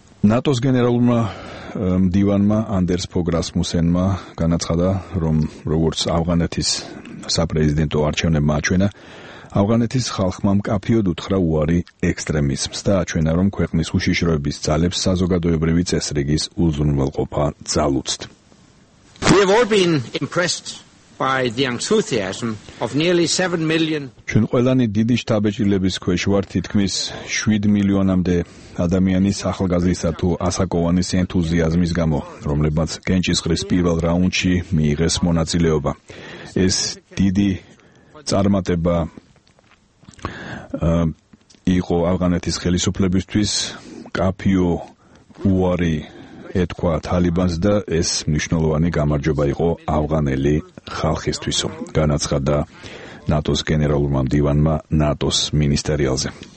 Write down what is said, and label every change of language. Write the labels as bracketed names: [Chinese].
[Georgian] ნატოს გენერალურმა მდივანმა ანდერს ფოგ რასმუსენმა განაცხადა, რომ როგორც ავღანეთის საპრეზიდენტო არჩევნებმა აჩვენა, ავღანეთის ხალხმა მკაფიოდ უთხრა უარი ექსტრემიზმს და აჩვენა, რომ ქვეყნის უშიშროების ძალებს საზოგადოებრივი წესრიგის უზრუნველყოფა ძალუცთ. [English] We have all been impressed by the enthusiasm of nearly 7 million. [Georgian] ჩვენ ყველანი დიდი შთაბეჭდილების ქვეშ ვართ, თითქმის 7 მილიონამდე ადამიანის ახალგაზრდისა თუ ასაკოვანის ენთუზიაზმის გამო, რომლებმაც კენჭისყრის პირველ რაუნდში მიიღეს მონაწილეობა. ეს დიდი წარმატება იყო ავღანეთის ხელისუფლებისთვის, კაფიო უარი ეთქვა თალიბანს და ეს მნიშვნელოვანი გამარჯობა იყო ავღანელი ხალხისთვისო, განაცხადა ნატოს გენერალურმა მდივანმა ნატოს მინისტერიალზე.